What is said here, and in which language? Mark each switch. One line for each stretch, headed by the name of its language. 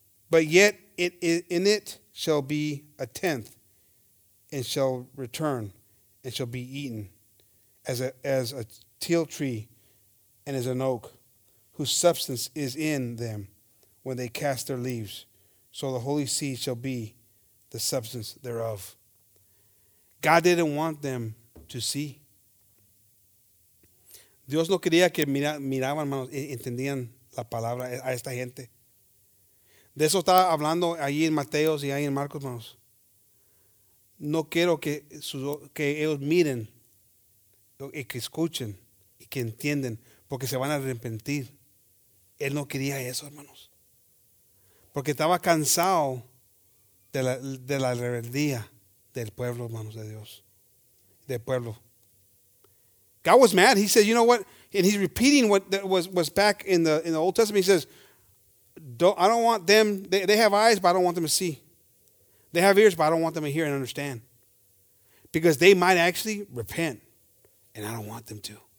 English: But yet in it shall be a tenth, and shall return, and shall be eaten, as a teal tree, and as an oak, whose substance is in them, when they cast their leaves, so the holy seed shall be the substance thereof. God didn't want them to see.
Spanish: Dios no quería que miraban, hermanos, entendían la palabra a esta gente. De eso estaba hablando allí en Mateo y ahí en Marcos, hermanos. No quiero que ellos miren y que escuchen y que entiendan, porque se van a arrepentir. Él no quería eso, hermanos. Porque estaba cansado de la rebeldía del pueblo, hermanos de Dios. Del pueblo.
English: God was mad. He said, you know what? And he's repeating what was back in the Old Testament. He says, I don't want them. They have eyes, but I don't want them to see. They have ears, but I don't want them to hear and understand. Because they might actually repent. And I don't want them to.